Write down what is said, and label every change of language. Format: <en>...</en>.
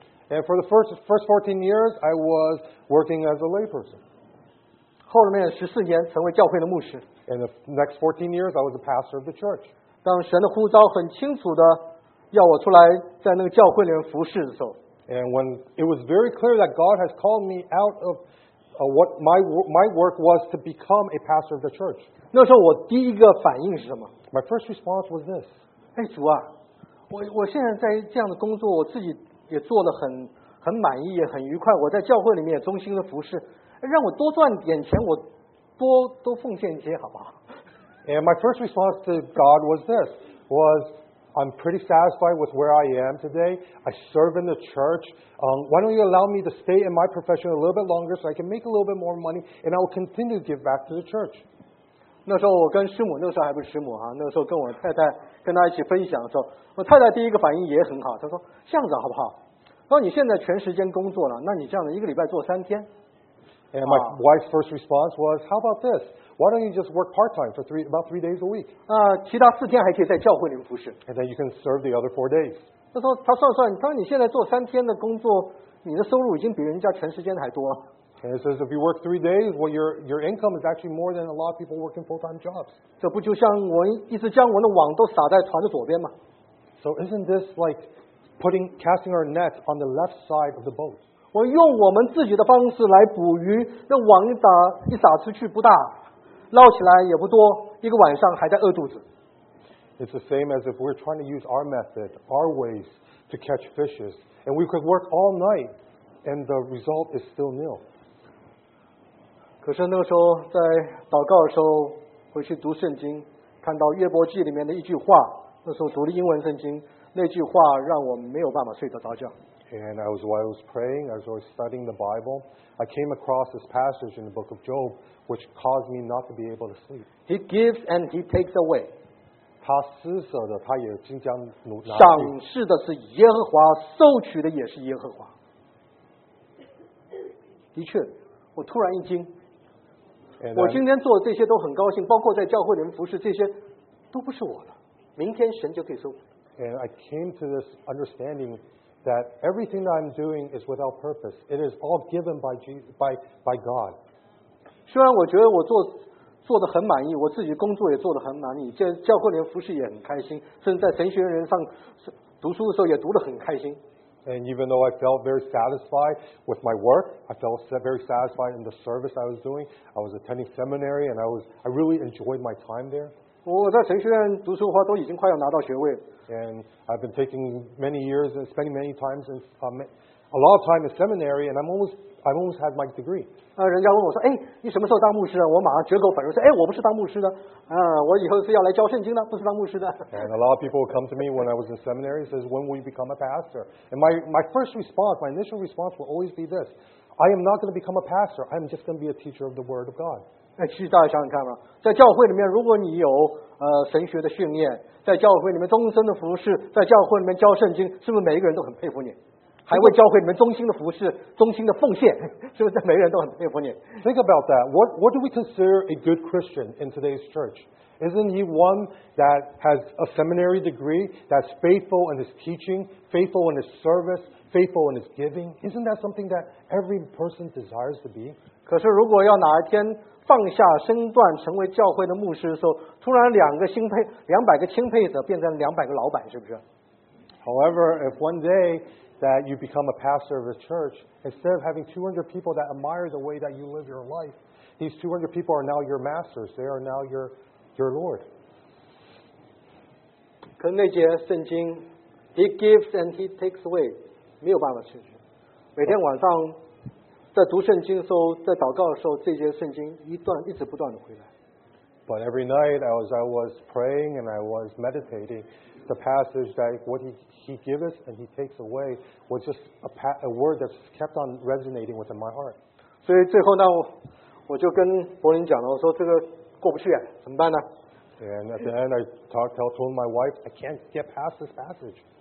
<en>And for the first 14 years, I was working as a layperson.</en> <zh>后面14年成为教会的牧师。</zh> <en>And the next 14 years, I was a pastor of the church.</en> <zh>当神的呼召很清楚的要我出来在那个教会里面服侍的时候。</zh> <en>And when it was very clear that God has called me out of what my work was to become a pastor of the church.</en> <zh>那时候我第一个反应是什么？</zh> <en>My first response was this.</en> <zh>哎，主啊，我现在在这样的工作，我自己也做得很满意，也很愉快。我在教会里面也忠心的服侍，让我多赚点钱，我多奉献一些，好不好？</zh> <en>And my first response to God was this: was I'm pretty satisfied with where I am today. I serve in the church. Why don't you allow me to stay in my profession a little bit longer so I can make a little bit more money, and I will continue to give back to the church.</en> <zh>那时候我跟师母，那时候还不是师母哈、啊，那时候跟我太太跟她一起分享的时候，我太太第一个反应也很好，她说这样子好不好？那你现在全时间工作了，那你这样子一个礼拜做三天</zh> <en>？And my wife's first response was, "How about this? Why don't you just work part time for about three days a week?"</en> <zh>啊，其他四天还可以在教会里面服侍。</zh> <en>And then you can serve the other four days.</en> <zh>她说，她算算，她说你现在做三天的工作，你的收入已经比人家全时间还多。</zh> <en>And it says if you work three days, well, your income is actually more than a lot of people working full-time jobs.</en> <zh>这不就像我一直将我的网都撒在船的左边吗？</zh> <en>So isn't this like casting our net on the left side of the boat?</en> <zh>我用我们自己的方式来捕鱼，那网一撒出去不大，捞起来也不多，一个晚上还在饿肚子。</zh> <en>It's the same as if we're trying to use our method, our ways to catch fishes, and we could work all night, and the result is still nil.</en> <zh>可是那个时候在祷告的时候回去读圣经，看到约伯记里面的一句话，那时候读的英文圣经，那句话让我没有办法睡得着觉。</zh> <en>And as while I was praying, as I was studying the Bible, I came across this passage in the book of Job which caused me not to be able to sleep. He gives and he takes away.</en> <zh>他施舍的他也经常拿去，赏赐的是耶和华，收取的也是耶和华。的确，我突然一惊，我今天做的这些都很高兴，包括在教会里面服侍，这些都不是我的，明天神就可以收。</zh> <en>And I came to this understanding that everything that I'm doing is without purpose. It is all given by Jesus, by God.</en> <zh>虽然我觉得我做得很满意，我自己工作也做得很满意，在教会里面服侍也很开心，甚至在神学院上读书的时候也读得很开心。</zh> <en>And even though I felt very satisfied with my work, I felt very satisfied in the service I was doing. I was attending seminary, and I really enjoyed my time there.</en> <zh>我在神学院读书的话，都已经快要拿到学位了。</zh> <en>And I've been taking many years and spending many times in a lot of time in seminary, and I've almost had my degree.</en> <zh>人家问我说，哎，你什么时候当牧师啊？我马上绝口反说，哎，我不是当牧师的，我以后是要来教圣经的，不是当牧师的。</zh> <en>And a lot of people come to me when I was in seminary and says, when will you become a pastor? And my first response, my initial response will always be this: I am not going to become a pastor. I am just going to be a teacher of the word of God.</en> <zh>哎，其实大家想想看啊，在教会里面，如果你有神学的训练，在教会里面终身的服侍，在教会里面教圣经，是不是每一个人都很佩服你？还为教会你们忠心的服侍，忠心的奉献，是不是每个人都很佩服你？</zh> <en>Think about that. What do we consider a good Christian in today's church? Isn't he one that has a seminary degree, that's faithful in his teaching, faithful in his service, faithful in his giving? Isn't that something that every person desires to be?</en> <zh>可是如果要哪一天放下身段成为教会的牧师的时候，突然两百个钦佩者变成两百个老板，是不是？</zh> <en>However, if one dayThat you become a pastor of a church, instead of having 200 people that admire the way that you live your life, these 200 people are now your masters. They are now your Lord.</en> <zh>可那节圣经 ，</zh> <en>He gives and He takes away，</en> <zh>没有办法持续。每天晚上在读圣经的时候，在祷告的时候，这节圣经一直不断的回来。</zh> <en>But every night, as I was praying and I was meditating, the passage that what he gives and he takes away was just a word that kept on resonating within my heart.</en> <zh>所以最后呢，我就跟柏林讲了，我说这个过不去，怎么办呢？</zh> <en>And at the end, I told my wife, I can't get past this passage.</en>